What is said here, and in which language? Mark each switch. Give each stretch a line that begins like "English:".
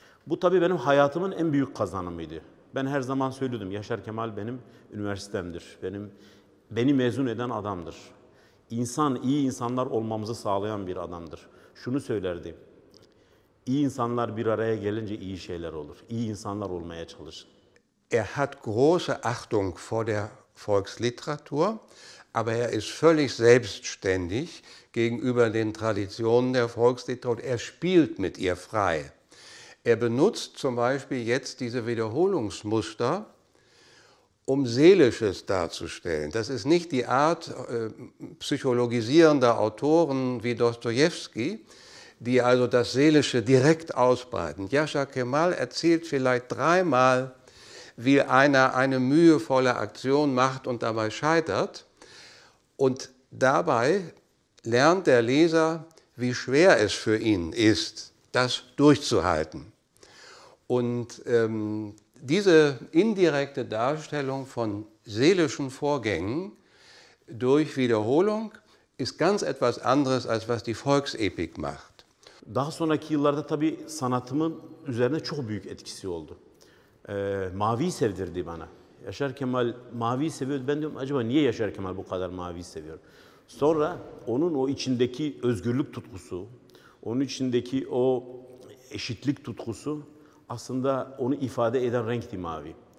Turkish: Bu tabii benim hayatımın en büyük kazanımıydı. Ben her zaman söylüyordum, Yaşar Kemal benim üniversitemdir, beni mezun eden adamdır. İnsan, iyi insanlar olmamızı sağlayan bir adamdır. Şunu söylerdi, iyi insanlar bir araya gelince iyi şeyler olur, iyi insanlar olmaya çalışın.
German: Er hat große Achtung vor der Volksliteratur, aber er ist völlig selbstständig gegenüber den Traditionen der Volksliteratur. Er spielt mit ihr frei. Er benutzt zum Beispiel jetzt diese Wiederholungsmuster, um Seelisches darzustellen. Das ist nicht die Art psychologisierender Autoren wie Dostojewski, die also das Seelische direkt ausbreiten. Yaşar Kemal erzählt vielleicht dreimal, wie einer eine mühevolle Aktion macht und dabei scheitert. Und dabei lernt der Leser, wie schwer es für ihn ist, das durchzuhalten. Und diese indirekte Darstellung von seelischen Vorgängen durch Wiederholung ist ganz etwas anderes, als was die Volksepik macht.
Turkish: Daha sonraki yıllarda tabii sanatımın üzerine çok büyük etkisi oldu. Maviyi sevdirdi bana. Yaşar Kemal maviyi seviyordu. Ben diyorum acaba niye Yaşar Kemal bu kadar maviyi seviyor? Sonra onun o içindeki özgürlük tutkusu, onun içindeki o eşitlik tutkusu aslında onu ifade eden renkti mavi.